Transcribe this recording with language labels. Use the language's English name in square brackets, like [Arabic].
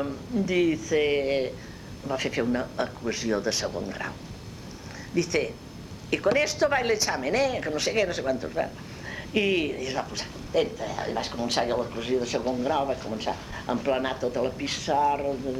[Catalan] Dice, va fer una equació de segon grau. [Spanish] Dice, y con esto va el examen, que [Catalan] no sé què, no sé quantos. I es va posar contenta, i vaig començar jo l'equació de segon grau, vaig començar a emplenar tota la pissarra.